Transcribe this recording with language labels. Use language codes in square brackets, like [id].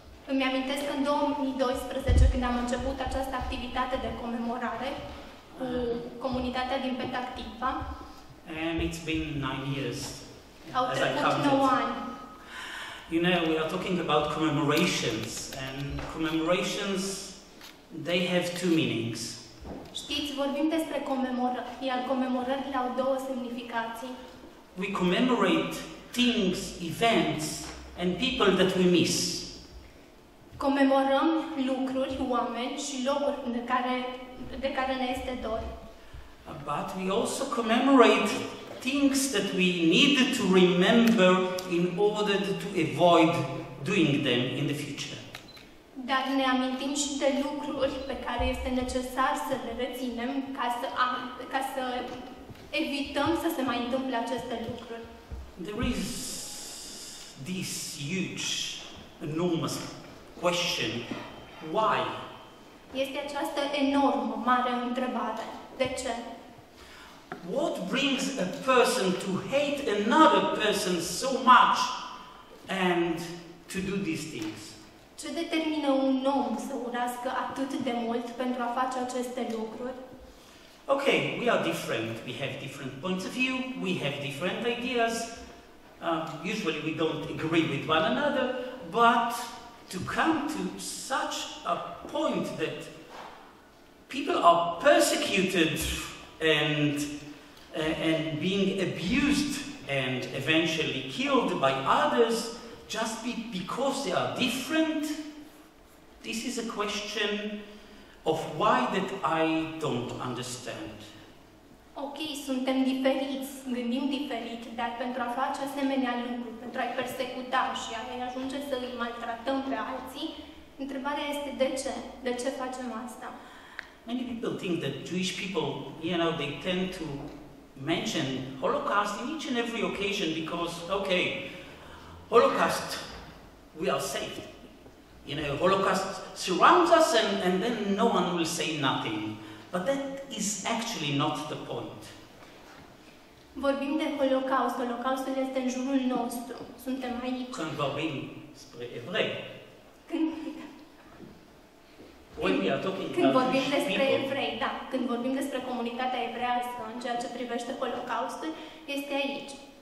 [ro] Îmi amintesc în 2012, când am început această activitate de comemorare cu comunitatea din Petah Tikva. [en] And it's been 9 years. [ro] Au trecut 9 ani. [en] You know, we are talking about commemorations, and commemorations, they have two meanings. [ro] Știți, vorbim despre comemorări, iar comemorările au două semnificații. [en] We commemorate things, events, and people that we miss. [ro] Comemorăm lucruri, oameni și locuri de care ne este dor. [en] But we also commemorate things that we need to remember in order to avoid doing them in the future. [ro] Dar ne amintim și de lucruri pe care este necesar să le reținem ca să evităm să se mai întâmple aceste lucruri. [en] There is this huge, enormous question, why? [ro] Este această enormă, mare întrebare. De ce? [en] What brings a person to hate another person so much and to do these things? [ro] Ce determină un om să urască atât de mult pentru a face aceste lucruri? [en] Okay, we are different. We have different points of view. We have different ideas. Usually we don't agree with one another, but to come to such a point that people are persecuted and being abused and eventually killed by others just because they are different, this is a question of why that I don't understand. [ro] Ok, suntem diferiți, gândim diferit, dar pentru a face asemenea lucruri, pentru a-i persecuta și a-i ajunge să îi maltratăm pe alții, întrebarea este de ce? De ce facem asta? [en] Many people think that Jewish people, you know, they tend to mention Holocaust in each and every occasion because, ok, Holocaust, we are saved. You know, Holocaust surrounds us and then no one will say nothing. But that is actually not the point. [ro] Vorbim de Holocaust. Holocaustul este în jurul nostru. Suntem aici. Când vorbim despre evrei. Când vorbim despre evrei, da. Când vorbim despre comunitatea evrească, în ceea ce privește Holocaustul, este aici.